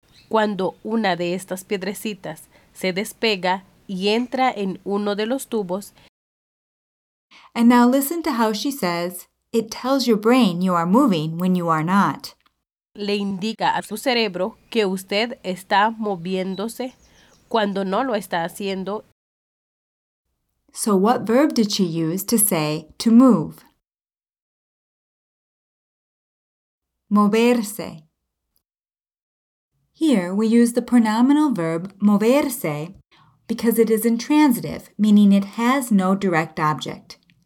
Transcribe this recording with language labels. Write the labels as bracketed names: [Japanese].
[Spanish] cuando una de estas piedrecitas se despega y entra en uno de los tubos. [English] And now listen to how she says, it tells your brain you are moving when you are not. [Spanish] Le indica a su cerebro que usted está moviéndose cuando no lo está haciendo. [English] So what verb did she use to say to move? Moverse. Here we use the pronominal verb moverse because it is intransitive, meaning it has no direct object.